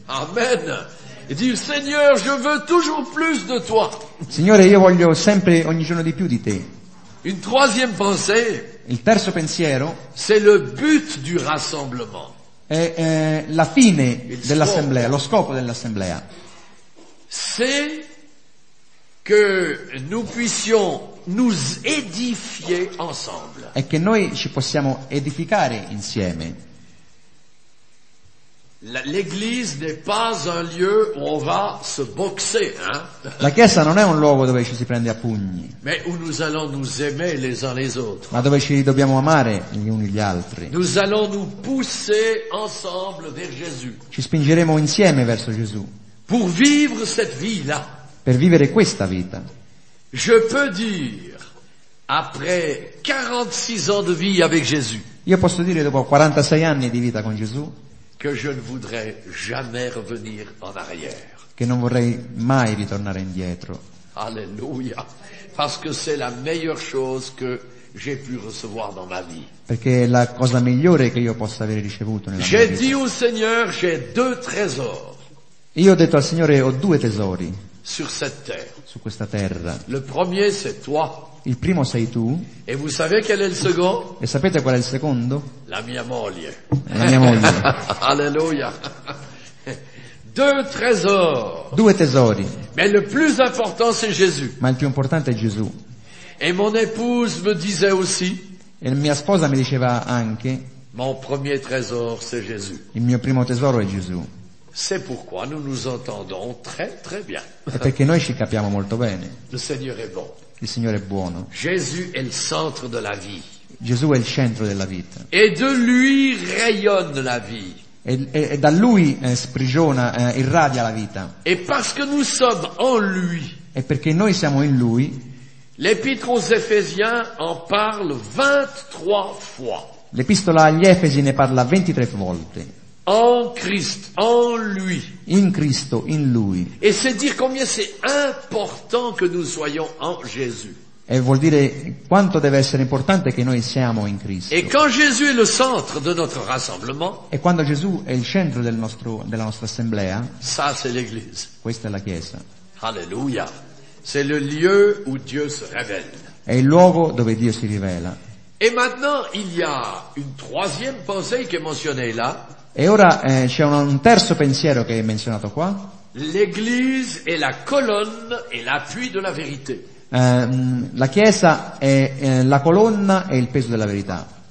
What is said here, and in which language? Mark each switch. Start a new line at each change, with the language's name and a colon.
French: Amen. E dis Seigneur, je veux toujours plus de toi.
Italian: Signore, io voglio sempre ogni giorno di più di te.
French: Une troisième pensée.
Italian: Il terzo pensiero.
French: C'est le but du rassemblement.
Italian: È la fine dell'assemblea, lo scopo dell'assemblea.
French: C'est que nous puissions nous édifier ensemble.
Italian: È che noi ci possiamo edificare insieme.
French: L'église n'est pas un lieu où on va se boxer, hein?
Italian: La chiesa non è un luogo dove ci si prende a pugni.
French: Mais où nous allons nous aimer les uns les autres.
Italian: Ma dove ci dobbiamo amare gli uni gli altri.
French: Nous allons nous pousser ensemble vers Jésus.
Italian: Ci spingeremo insieme verso Gesù.
French: Pour vivre cette vie-là.
Italian: Per vivere questa vita.
French: Je peux dire après 46 ans de vie avec Jésus.
Italian: Io posso dire dopo 46 anni di vita con Gesù
French: que je ne voudrais jamais revenir en arrière.
Italian: Che non vorrei mai ritornare indietro.
French: Alléluia. Parce que c'est la meilleure chose que j'ai pu recevoir dans ma vie.
Italian: Perché è la cosa migliore che io possa aver ricevuto nella
French: j'ai
Italian: mia vita.
French: J'ai dit au Seigneur, j'ai deux trésors.
Italian: Io ho detto al Signore ho due tesori.
French: Sur cette terre.
Italian: Su questa terra.
French: Le premier c'est toi.
Italian: Il primo sei tu.
French: Et vous savez quel est le second?
Italian: E sapete qual è il secondo? La mia moglie. La mia moglie.
French: Alleluia. Deux trésors.
Italian: Due tesori.
French: Mais le plus important c'est Jésus.
Italian: Ma il più importante è Gesù.
French: Et mon épouse me disait aussi.
Italian: E mia sposa mi diceva anche.
French: Mon premier trésor c'est Jésus.
Italian: Il mio primo tesoro è Gesù.
French: C'est pourquoi nous nous entendons très très bien.
Italian: È perché noi ci capiamo molto bene.
French: Le Seigneur est bon.
Italian: Il Signore è buono.
French: Jésus est le centre de la vie.
Italian: Gesù è il centro della vita.
French: Et de lui rayonne la vie.
Italian: E da lui sprigiona, irradia la vita.
French: Et parce que nous sommes en lui.
Italian: E perché noi siamo in lui.
French: L'Épître aux Éphésiens en parle 23 fois.
Italian: L'Epistola agli Efesi ne parla 23 volte.
French: En Christ, en lui.
Italian: In Cristo, in lui.
French: Et c'est dire combien c'est important que nous soyons en Jésus.
Italian: E vuol dire quanto deve essere importante che noi siamo in Cristo.
French: Et quand Jésus est le centre de notre rassemblement.
Italian: E quando Gesù è il centro del nostro della nostra assemblea.
French: Ça c'est l'Église.
Italian: Questa è la Chiesa.
French: Alléluia. C'est le lieu où Dieu se révèle.
Italian: è il luogo dove Dio si rivela.
French: Et maintenant il y a une troisième pensée qui est mentionnée là.
Italian: E ora c'è un terzo pensiero che è menzionato qua.
French: L'église est la colonne et l'appui de la vérité.
Italian: La chiesa è la colonna e il peso della verità.